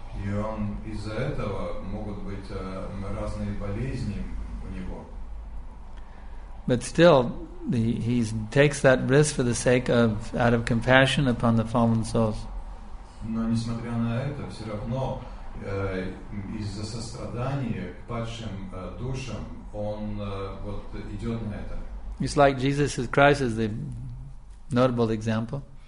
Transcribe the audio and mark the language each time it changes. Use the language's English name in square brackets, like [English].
[Russian] И он из-за этого могут быть разные болезни. [English] But still, he takes that risk for the sake of out of compassion upon the fallen souls. [Russian] Но несмотря на это, все равно из-за сострадания к падшим душам он вот идет на это. [English] It's like Jesus Christ is the notable example.